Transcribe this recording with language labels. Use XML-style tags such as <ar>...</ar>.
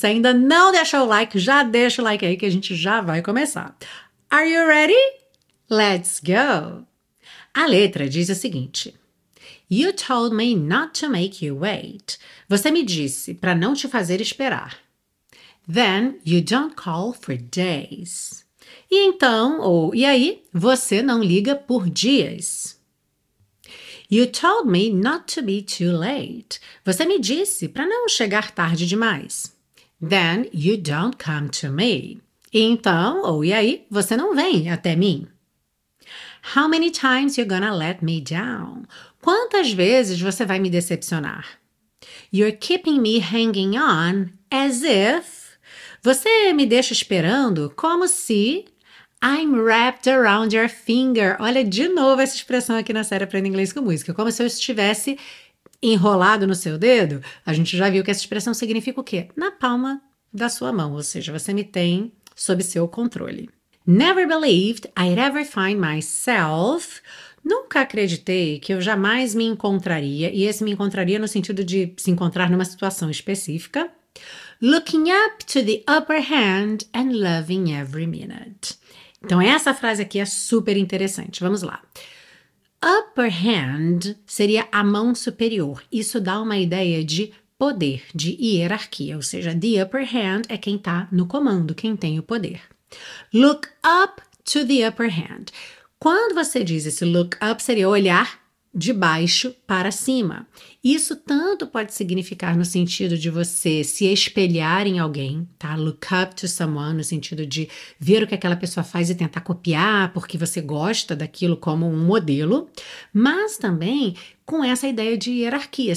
<pt>Se ainda não deixou o like, já deixa o like aí que a gente já vai começar.</pt> <en>Are you ready? Let's go!</en> <pt>A letra diz o seguinte:</pt> <en>You told me not to make you wait.</en> <pt>Você me disse para não te fazer esperar.</pt> <en>Then you don't call for days.</en> <pt>E então, ou e aí, você não liga por dias.</pt> <en>You told me not to be too late.</en> <pt>Você me disse para não chegar tarde demais.</pt> <en>Then you don't come to me.</en> <pt>E então, ou e aí, você não vem até mim.</pt> <en>How many times you gonna let me down?</en> <pt>Quantas vezes você vai me decepcionar?</pt> <en>You're keeping me hanging on as if.</en> <pt>Você me deixa esperando como se</pt> <en>I'm wrapped around your finger.</en> <pt>Olha de novo essa expressão aqui na série Aprenda Inglês com Música. Como se eu estivesse enrolado no seu dedo. A gente já viu que essa expressão significa o quê? Na palma da sua mão, ou seja, você me tem sob seu controle.</pt> <en>Never believed I'd ever find myself.</en> <pt>Nunca acreditei que eu jamais me encontraria, e esse me encontraria no sentido de se encontrar numa situação específica.</pt> <en>Looking up to the upper hand and loving every minute.</en> <pt>Então, essa frase aqui é super interessante. Vamos lá. Upper hand seria a mão superior. Isso dá uma ideia de poder, de hierarquia. Ou seja, the upper hand é quem está no comando, quem tem o poder.</pt> <en>Look up to the upper hand.</en> <pt>Quando você diz esse look up, seria olhar de baixo para cima. Isso tanto pode significar no sentido de você se espelhar em alguém, tá?</pt> <en>Look up to someone,</en> <pt>no sentido de ver o que aquela pessoa faz e tentar copiar porque você gosta daquilo como um modelo, mas também com essa ideia de hierarquia.</pt>